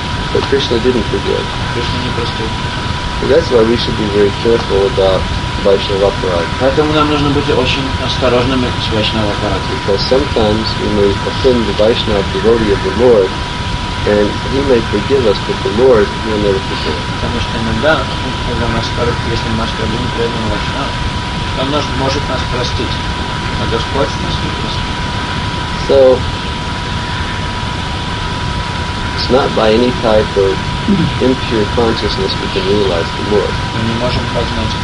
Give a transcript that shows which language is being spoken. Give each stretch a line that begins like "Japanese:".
English: But Krishna didn't forgive. And that's why we should be very careful about Vaishnava Parati.
Russian: Поэтому нам нужно быть очень осторожными с Vaishnava Parati.
English: Because sometimes we may offend the Vaishnava devotee of the Lord, and he may forgive us, but the Lord will never forgive.
Russian: Потому что иногда, когда мы оскорбляем, если мы оскорбляем преданного Вайшнава, он может нас простить, а Господь нас не простит.
English: So, it's not by any type of impure consciousness we can realize the Lord.